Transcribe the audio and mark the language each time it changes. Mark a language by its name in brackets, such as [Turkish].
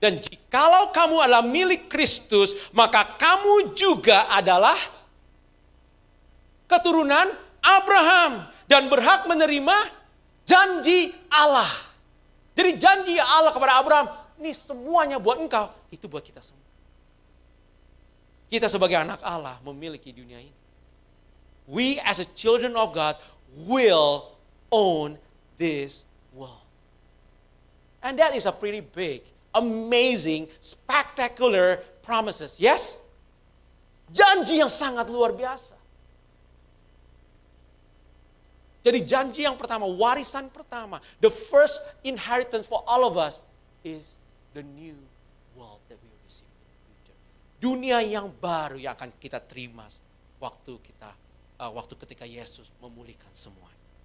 [Indonesian] Dan jikalau kamu adalah milik Kristus, maka kamu juga adalah keturunan Abraham. Dan berhak menerima janji Allah. Jadi janji Allah kepada Abraham. Ini semuanya buat engkau. Itu buat kita semua. Kita sebagai anak Allah memiliki dunia ini. [English] We as a children of God will own this world. And that is a pretty big, amazing, spectacular promises. Yes? [Indonesian] Janji yang sangat luar biasa. Jadi janji yang pertama, warisan pertama, [English] the first inheritance for all of us is the new world that we receive. [Indonesian] Dunia yang baru yang akan kita terima waktu ketika Yesus memulihkan semuanya.